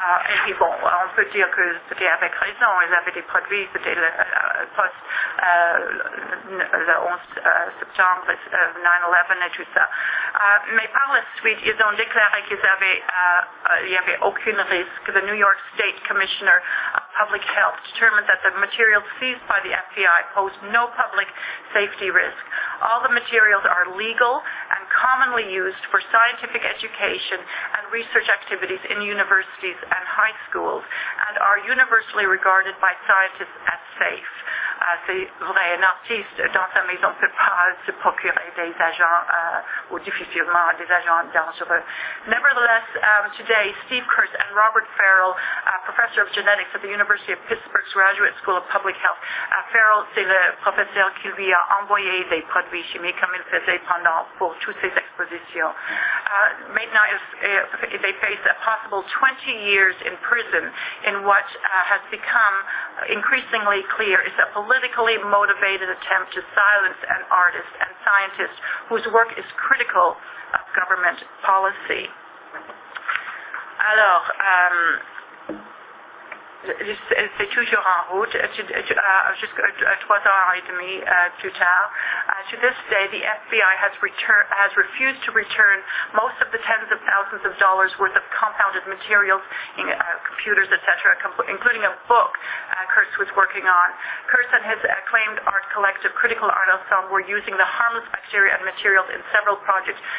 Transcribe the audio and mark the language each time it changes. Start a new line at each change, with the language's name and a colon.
French: Et puis bon, on peut dire que c'était avec raison. Ils avaient des produits, c'était le post le 11 septembre, 9/11 et tout ça. Mais par la suite, ils ont déclaré qu'ils avaient, il y avait aucun risque.
English: The New York State Commissioner of Public Health determined that the materials seized by the FBI posed no public safety risk. All the materials are legal and commonly used for scientific education and research activities in universities and high schools and are universally regarded by scientists as safe.
French: C'est vrai, un artiste dans sa maison ne peut pas se procurer des agents, ou difficilement des agents dangereux.
English: Nevertheless, today, Steve Kurtz and Robert Farrell, professor of genetics at the University of Pittsburgh's Graduate School of Public Health.
French: Farrell, c'est le professeur qui lui a envoyé des produits chimiques comme il faisait pendant pour toutes ses expositions. Maintenant,
English: they face a possible 20 years in prison in what has become increasingly clear is a politically motivated attempt to silence an artist and scientist whose work is critical of government policy.
French: Alors, c'est toujours en route, jusqu'à 3 ans et demi plus tard.
English: To this day, the FBI has refused to return most of the tens of thousands of dollars worth of compounded materials, computers, etc., including a book Kurtz was working on. Kurtz and his acclaimed art collective, Critical Art Ensemble, were using the harmless bacteria and materials in several projects.